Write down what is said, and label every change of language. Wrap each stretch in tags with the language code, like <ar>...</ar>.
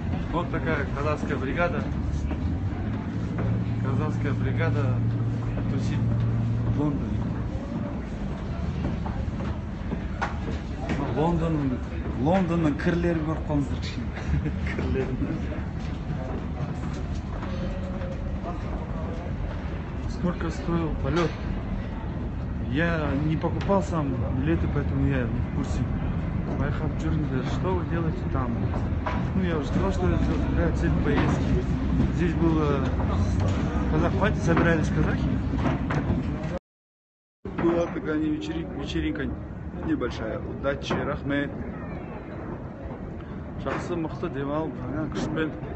<ru>Вот такая казахская бригада. Казахская бригада тусит в Лондоне.</ru> <kk>Лондон, кірлері көріп қалыңыздар кішкене. Кірлерін.</kk> <ru>Сколько стоил полет? Я не покупал сам билеты, поэтому я не в курсе. Поехал в Джурнберг. Что вы делаете там? Ну, я уже сказал, что это для цели поездки. Здесь было казах пати, собирались казахи. Была такая не вечеринка небольшая. Удачи, рахме.</ru> <kk>Жақсы мықты демал, бірге күшпен.</kk>